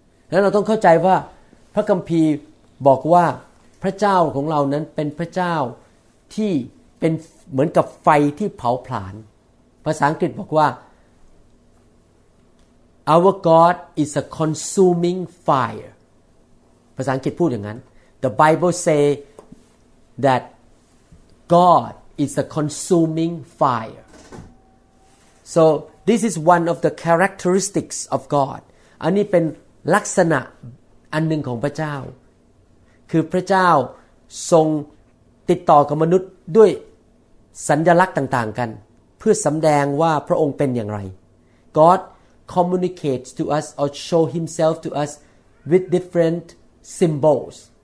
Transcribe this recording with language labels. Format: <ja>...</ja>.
<th>แล้วเราต้องเข้าใจว่าพระคัมภีร์บอกว่าพระเจ้าของเรานั้นเป็นพระเจ้าที่เป็นเหมือนกับไฟที่เผาผลาญภาษาอังกฤษบอกว่า</th> <en>Our God is a consuming fire.</en> <th>ภาษาอังกฤษพูดอย่างนั้น.</th> <en>The Bible say that God is a consuming fire. So this is one of the characteristics of God.</en> <th>อันนี้เป็นลักษณะอันหนึ่งของพระเจ้า.คือพระเจ้าทรงติดต่อกับมนุษย์ด้วยสัญลักษณ์ต่างๆกันเพื่อสำแดงว่าพระองค์เป็นอย่างไร.</th> <en>Godcommunicates to us or show himself to us with different symbols.</en>